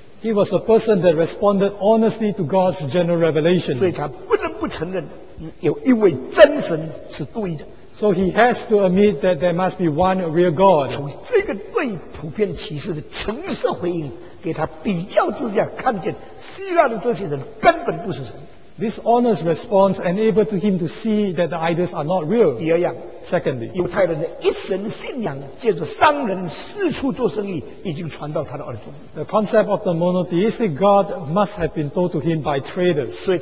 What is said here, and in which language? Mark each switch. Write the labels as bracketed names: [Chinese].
[English] He was a person that responded honestly to God's general revelation. [Chinese] 所以他不能不承认有一位真神是独一的。 [English] So he has to admit that there must be one real God. [Chinese] 从这个对普遍启示的诚实回应， 给他比较之下，看见希腊的这些人根本不是神。 [English] This honest response enabled him to see that the idols are not real. [Chinese] 第二样， [English] Secondly, [Chinese] 犹太人的一神信仰，借着商人四处做生意，已经传到他的耳中。 [English] The concept of the monotheistic God must have been told to him by traders.